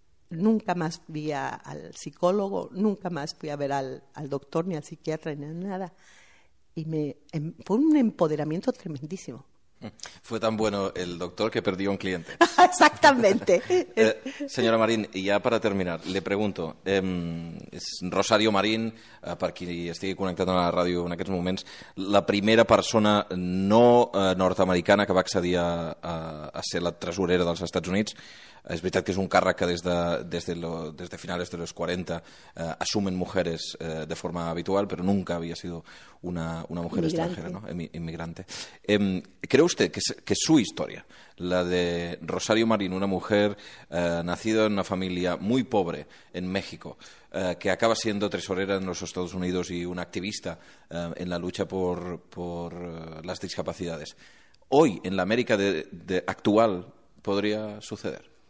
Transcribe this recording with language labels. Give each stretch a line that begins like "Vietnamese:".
Spanish: Nunca más fui al psicólogo, nunca más fui a ver al doctor, ni al psiquiatra, ni a nada. Y fue un empoderamiento tremendísimo. Fue tan bueno el doctor que perdió un cliente. Exactamente. Señora Marín, y ya para terminar, le pregunto.
Catalan: Es Rosario Marín, per qui estigui connectat a la ràdio en aquests moments, la primera persona no nord-americana que va accedir a ser la tresorera dels Estats Units. És veritat que és un càrrec que des de finals de
Spanish: los 40 assumen mujeres de forma habitual,
Catalan: però
Spanish: nunca havia sido una mujer estrangera,
Catalan: ¿no?
Spanish: Inmigrante. ¿Cree usted que su historia, la de Rosario Marín, una mujer nacida en una familia muy pobre en México, que acaba siendo tesorera en los Estados Unidos y una activista en la lucha por las discapacidades, hoy en la América de actual podría suceder?